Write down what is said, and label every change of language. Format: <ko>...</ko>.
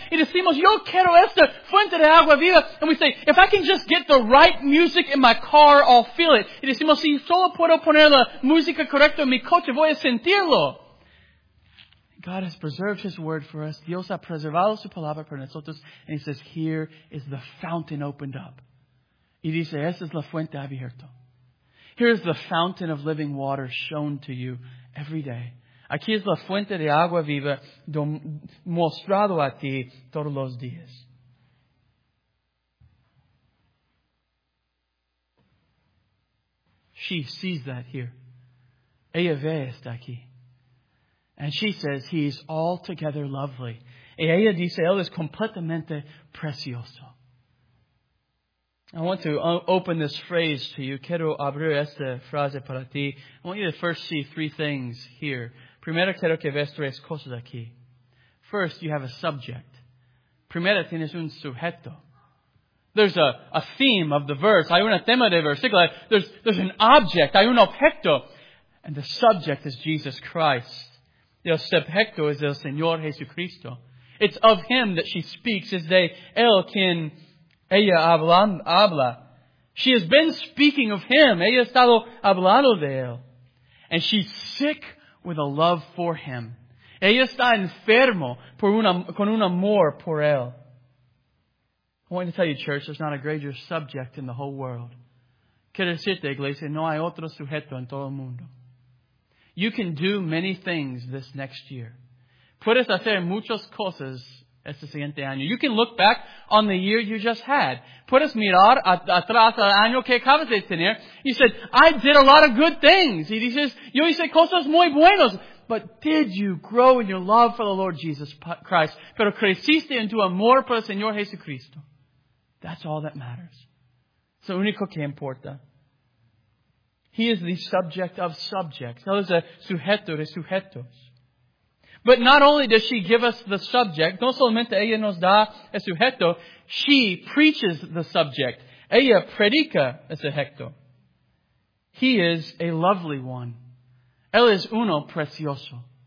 <es>Y decimos, yo quiero esta fuente de agua viva.</es> <en>And we say, if I can just get the right music in my car, I'll feel it.</en> <es>Y decimos, si solo puedo poner la música correcta en mi coche, voy a sentirlo.</es> <en>God has preserved His Word for us.</en> <es>Dios ha preservado su palabra para nosotros.</es> <en>And He says, here is the fountain opened up.</en> <es>Y dice, esa es la fuente abierta.</es> <en>Here is the fountain of living water shown to you every day.</en> <es>Aquí es la fuente de agua viva mostrado a ti todos los días.</es> <en>She sees that here.</en> <es>Ella ve esto aquí.</es> <en>And she says, he's altogether lovely.</en> <es>Y ella dice, él es completamente precioso.</es> <en>I want to open this phrase to you.</en> <es>Quiero abrir esta frase para ti.</es> <en>I want you to first see three things here.</en> <es>Primero, quiero que veas tres cosas aquí.</es> <en>First, you have a subject.</en> <es>Primero, tienes un sujeto.</es> <en>There's a theme of the verse.</en> <es>Hay un tema de versículo.</es> <en>There's an object.</en> <es>Hay un objeto.</es> <en>And the subject is Jesus Christ.</en> <es>El subjecto es el Señor Jesucristo.</es> <en>It's of Him that she speaks.</en> <es>Es de Él quien ella habla.</es> <en>She has been speaking of Him.</en> <es>Ella ha estado hablando de Él.</es> <en>And she's sick with a love for Him.</en> <es>Ella está enfermo con un amor por Él.</es> <en>I want to tell you, church, there's not a greater subject in the whole world.</en> <es>Quiero decirte, iglesia, no hay otro sujeto en todo el mundo.</es> <en>You can do many things this next year.</en> <es>Puedes hacer muchas cosas este siguiente año.</es> <en>You can look back on the year you just had.</en> <es>Puedes mirar atrás al año que acabas de tener.</es> <en>He said, I did a lot of good things. He says,</en> <es>yo hice cosas muy buenas.</es> <en>But did you grow in your love for the Lord Jesus Christ?</en> <es>Pero creciste en tu amor por el Señor Jesucristo.</es> <en>That's all that matters.</en> <es>Es lo único que importa.</es> <en>He is the subject of subjects.</en> <es>Él es el sujeto de sujetos.</es> <en>But not only does she give us the subject,</en> <es>no solamente ella nos da el sujeto,</es> <en>she preaches the subject.</en> <es>Ella predica el sujeto.</es> <en>He is a lovely one.</en> <es>Él es uno precioso.</es>